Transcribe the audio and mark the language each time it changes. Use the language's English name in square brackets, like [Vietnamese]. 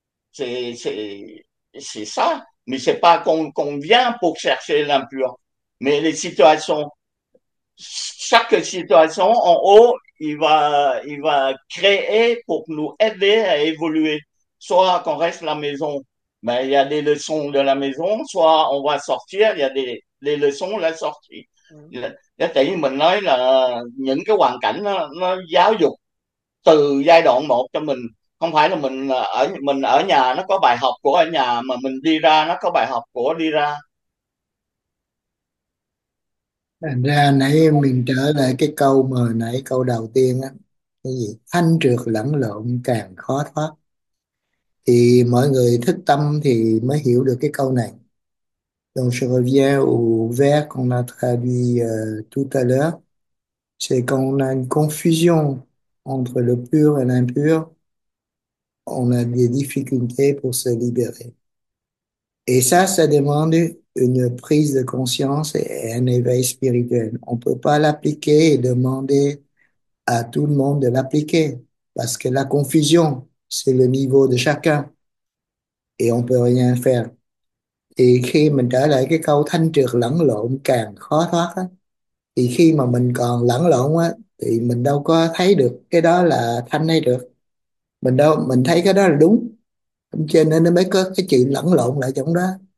[French] C'est ça, mais c'est pas qu'on vient pour chercher l'impur, mais les situations, chaque situation en haut, il va créer pour nous aider à évoluer. Soit qu'on reste à la maison, ben il y a des leçons de la maison, soit on va sortir, il y a des leçons de la sortie. [Vietnamese] Tại vì mình nói là những cái hoàn cảnh nó giáo dục từ giai đoạn một cho mình. không phải là mình ở nhà nó có bài học của ở nhà, mà mình đi ra nó có bài học của đi ra. Thành ra nãy mình trở lại cái câu mà nãy câu đầu tiên á, cái gì thanh trược lẫn lộn càng khó thoát, thì mọi người thức tâm thì mới hiểu được cái câu này. [French] Donc je reviens au vers qu'on a traduit tout à l'heure. C'est quand on a une confusion entre le pur et l'impur, on a des difficultés pour se libérer. Et ça demande une prise de conscience et un éveil spirituel. On ne peut pas l'appliquer et demander à tout le monde de l'appliquer, parce que la confusion, c'est le niveau de chacun et on ne peut rien faire. [Vietnamese] Thì khi mình trở lại cái câu thanh trược lẫn lộn càng khó thoát á, thì khi mà mình còn lẫn lộn á thì mình đâu có thấy được cái đó là thanh hay được, mình thấy cái đó là đúng, cho nên nó mới có cái chuyện lẫn lộn lại trong đó.